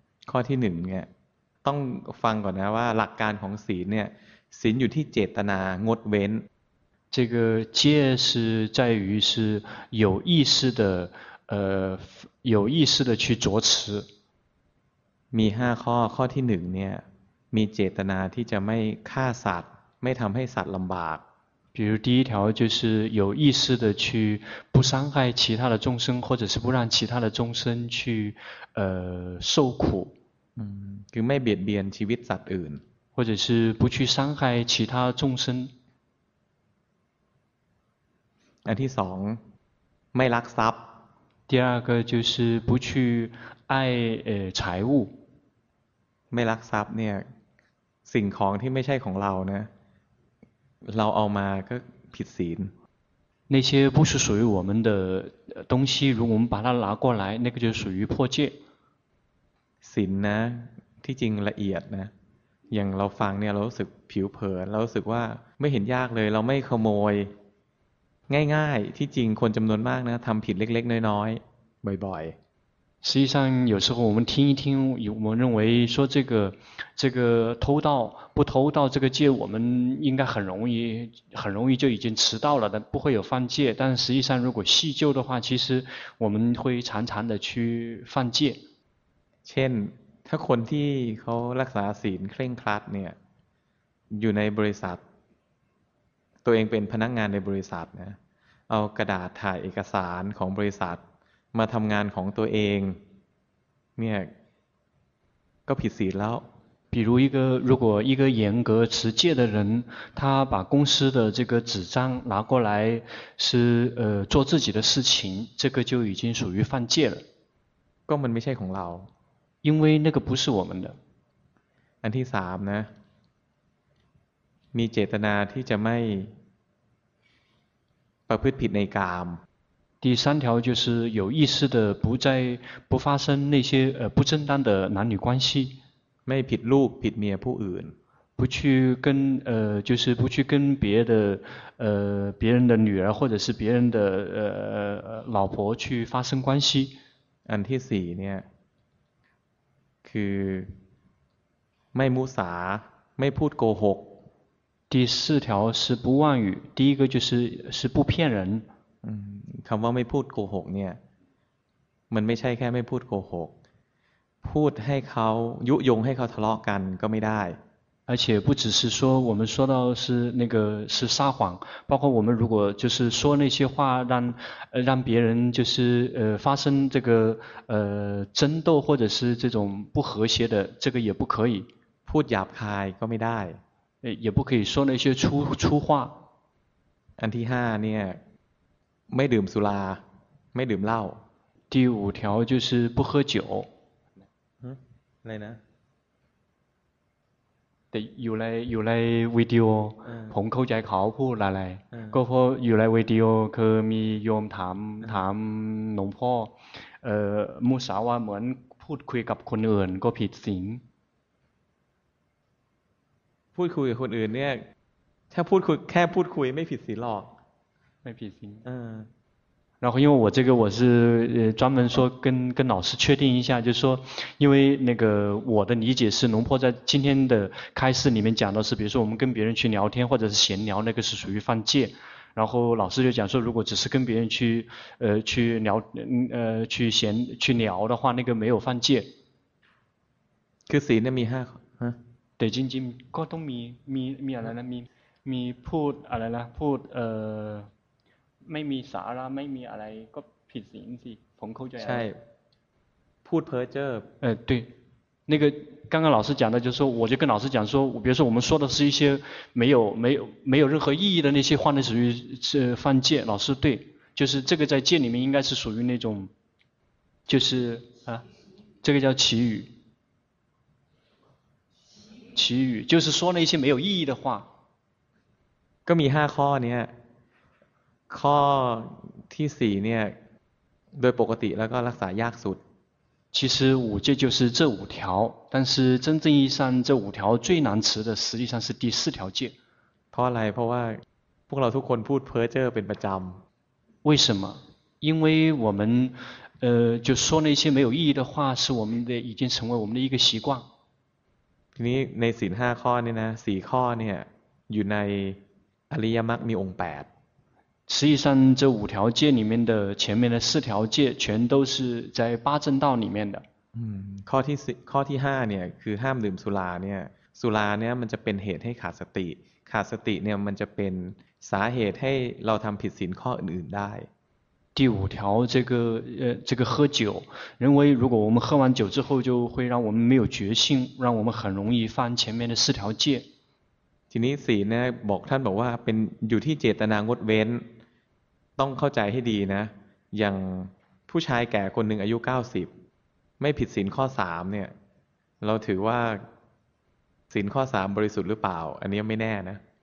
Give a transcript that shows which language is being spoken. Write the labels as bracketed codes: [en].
[th] ข้อที่หนึ่งเนี่ยต้องฟังก่อนนะว่าหลักการของศีลเนี่ยศีลอยู่ที่เจตนางดเว้น [zh] 这个戒是在于是有意识的有意识的去着持 [th] มีห้าข้อข้อที่หนึ่งเนี่ยมีเจตนาที่จะไม่ฆ่าสัตว์ไม่ทำให้สัตว์ลำบาก [zh] 比如第一条就是有意识的去不伤害其他的众生或者是不让其他的众生去受苦 [th] คือไม่เบียดเบียนชีวิตสัตว์อื่น [zh] 或者是不去伤害其他众生 [th] อันที่สองไม่ลักทรัพย์ [zh] 第二个就是不去爱财物 [th] ไม่ลักทรัพย์เนี่ยสิ่งของที่ไม่ใช่ของเรานะเราเอามาก็ผิดศีล [zh] 那些不是属于我们的东西如果我们把它拿过来那个就属于破戒 [th] ศีลนะที่จริงละเอียดนะอย่างเราฟังเนี่ยเรารู้สึกผิวเผินเรารู้สึกว่าไม่เห็นยากเลยเราไม่ขโมยง่ายๆที่จริงคนจำนวนมากนะทำผิดเล็กๆน้อยๆบ่อย [zh] ๆ实际上有时候我们听一听我们认为说这个偷盗不偷盗这个戒我们应该很容易就已经迟到了但不会有犯戒但实际上如果细究的话其实我们会常常的去犯戒 [th] เช่นถ้าคนที่เขารักษาศีลเคร่งครัดเนี่ยอยู่ในบริษัทตัวเองเป็นพนักงานในบริษัทนะเอากระดาษถ่ายเอกสารของบริษัทมาทำงานของตัวเองเนี่ยก็ผิดศีลแล้ว [zh] 比如一个如果一个严格持戒的人他把公司的这个纸张拿过来是做自己的事情这个就已经属于犯戒了 [th] ก็มันไม่ใช่ของเรา [zh] 因为那个不是我们的 [th] อันที่สามนะมีเจตนาที่จะไม่ประพฤติผิดในกาม [zh] 第三条就是有意识的不再不发生那些不正当的男女关系 [th] ไม่ผิดลูกผิดเมียผู้อื่น [zh] 不去跟就是不去跟别的别人的女儿或者是别人的老婆去发生关系 [th] อันที่สี่เนี่ยคือไม่มุสาไม่พูดโกหก [zh] 第四条是不妄语第一个就是不骗人 [th] คำว่าไม่พูดโกหกเนี่ยมันไม่ใช่แค่ไม่พูดโกหกพูดให้เขายุยงให้เขาทะเลาะกันก็ไม่ได้ [zh] 而且不只是说我们说到是那个是撒谎包括我们如果就是说那些话让别人就是发生这个争斗或者是这种不和谐的这个也不可以 [th] พูดหยาบคายก็ไม่ได้ [zh] 也不可以说那些粗话 [th] อันที่ห้าเนี่ยไม่ดื่มสุราไม่ดื่มเหล้า [zh] 第五条就是不喝酒 [th] อะไรนะ แต่อยู่ในวิดีโ อ ผมเข้าใจเขาพูดอะไรก็เพราะอยู่ในวิดีโอคือมีโยมถามหลวงพ่อมุสาวาเหมือนพูดคุยกับคนอื่นก็ผิดศีล พูดคุยกับคนอื่นเนี่ยถ้าพูดคุยแค่พูดคุยไม่ผิดศีลหรอก ไม่ผิดศีล เออ [zh] 然后因为我这个我是专门说跟老师确定一下就是说因为那个我的理解是龙婆在今天的开示里面讲的是比如说我们跟别人去聊天或者是闲聊那个是属于犯戒然后老师就讲说如果只是跟别人去聊去闲去聊的话那个没有犯戒 [th] คือศีลมีห้า แต่จริงจริงก็ต้องมีอะไรนะมีพูดอะไรนะพูดไม่มีสาระไม่มีอะไรก็ผิดศีลสิผมเข้าใจ ใช่พูดเพ้อเจ้อ เออ对 [zh] 那个刚刚老师讲的，就是说我就跟老师讲说，比如说我们说的是一些没有任何意义的那些话，那属于是犯戒。老师对，就是这个在戒里面应该是属于那种，就是啊，这个叫绮语。绮语就是说那些没有意义的话。 [th] ก็มีห้าข้อเนี่ย ข้อที่สี่เนี่ย โดยปกติแล้วก็รักษายากสุด [zh] 其实五戒就是这五条，但是真正意义上这五条最难持的实际上是第四条戒。 [th] เพราะอะไรเพราะว่าพวกเราทุกคนพูดเพ้อเจ้อเป็นประจำ [zh] 为什么？因为我们就说那些没有意义的话是我们的已经成为我们的一个习惯。 [th] ทีนี้ในศีลห้าข้อเนี่ยนะสี่ข้อเนี่ยอยู่ในอริยมรรคมีองค์8 [zh] 实际上这五条戒里面的前面的四条戒全都是在八正道里面的 [th] ข้อที่ห้าเนี่ยคือห้ามดื่มสุราเนี่ยสุราเนี่ยมันจะเป็นเหตุให้ขาดสติขาดสติเนี่ยมันจะเป็นสาเหตุให้เราทำผิดศีลข้ออื่นๆได้ [zh] 第五条，这个喝酒，认为如果我们喝完酒之后，就会让我们没有决心，让我们很容易犯前面的四条戒。 [th] ทีนี้สี่เนี่ยบอกท่านบอกว่าเป็นอยู่ที่เจตนางดเว้นต้องเข้าใจให้ดีนะอย่างผู้ชายแก่คนหนึ่งอายุ90ไม่ผิดศีลข้อ3เนี่ยเราถือว่าศีลข้อ3บริสุทธิ์หรือเปล่าอันนี้ไม่แน่นะ